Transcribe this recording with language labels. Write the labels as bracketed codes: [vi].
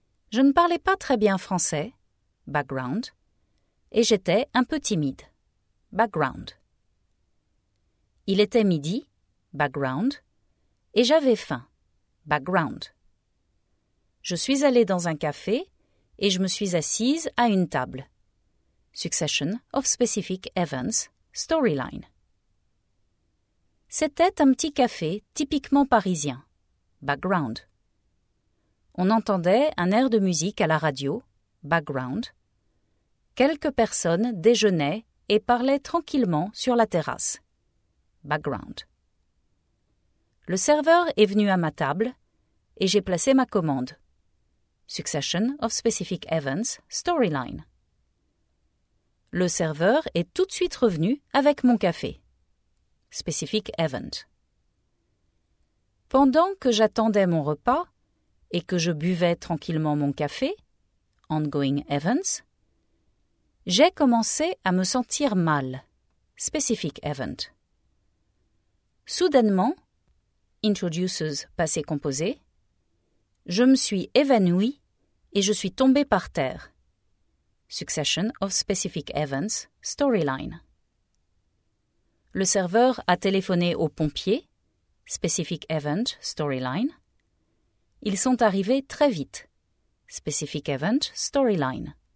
[fr] Je ne parlais pas très bien français, background, et j'étais un peu timide, background. Il était midi, background, et j'avais faim, background. Je suis allée dans un café et je me suis assise à une table. [en] Succession of specific events, storyline. [fr] C'était un petit café typiquement parisien. Background. On entendait un air de musique à la radio. Background. Quelques personnes déjeunaient et parlaient tranquillement sur la terrasse. Background. Le serveur est venu à ma table et j'ai placé ma commande. [en] Succession of specific events, storyline. [fr] Le serveur est tout de suite revenu avec mon café. [en] Specific event. [fr] Pendant que j'attendais mon repas et que je buvais tranquillement mon café, [en] ongoing events, [fr] j'ai commencé à me sentir mal. [en] Specific event. [fr] Soudainement, [en] introduces [fr] passé composé, je me suis évanouie et je suis tombée par terre. [en] Succession of specific events, storyline. [fr] Le serveur a téléphoné aux pompiers. [en] Specific event, storyline. [fr] Ils sont arrivés très vite. [en] Specific event, storyline.